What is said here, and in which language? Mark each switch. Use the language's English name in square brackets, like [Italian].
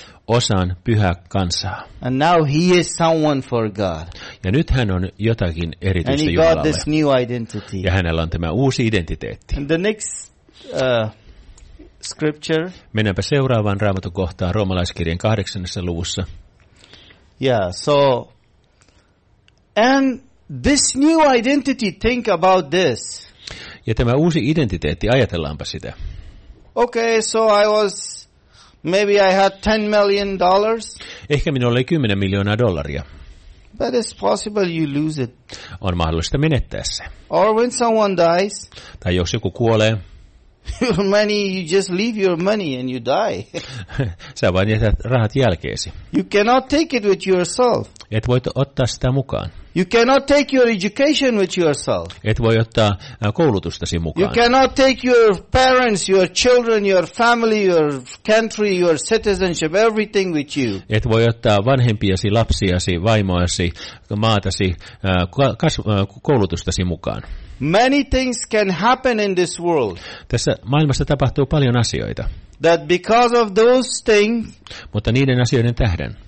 [Finnish] Osan pyhää kansaa. [English] And now he is someone for God. [Finnish] Ja nyt hän on jotakin erityistä Jumalalle. [English] Got this new identity. [Finnish] Ja hänellä on tämä uusi identiteetti. [English] And the next scripture. [Finnish] Mennäänpä seuraavaan Raamatun kohtaan roomalaiskirjan 8. luvussa. [English] Yeah, so and this new identity, think about this. [Finnish] Ja tämä uusi identiteetti, ajatellaanpa sitä. [English] Okay, so I was maybe I had $10 million. [Finnish] Ehkä minulla oli 10 miljoonaa dollaria. [English] But it's possible you lose it. [Finnish] On mahdollista menettää se. [English] Or when someone dies. [Finnish] Tai jos joku kuolee. [English] Your money, you just leave your money and you die. [Finnish] Sä vain jätät rahat jälkeesi. [English] You cannot take it with yourself. [Finnish] Et voi ottaa sitä mukaan. [English] You cannot take your education with yourself. [Finnish] Et voi ottaa koulutustasi mukaan. [English] You cannot take your parents, your children, your family, your country, your citizenship, everything with you. [Finnish] Et voi ottaa vanhempiasi, lapsiasi, vaimoasi, maatasi, koulutustasi mukaan. [English] Many things can happen in this world. [Finnish] Tässä maailmassa tapahtuu paljon asioita. [English] That because of those things, [Finnish] mutta niiden asioiden tähden,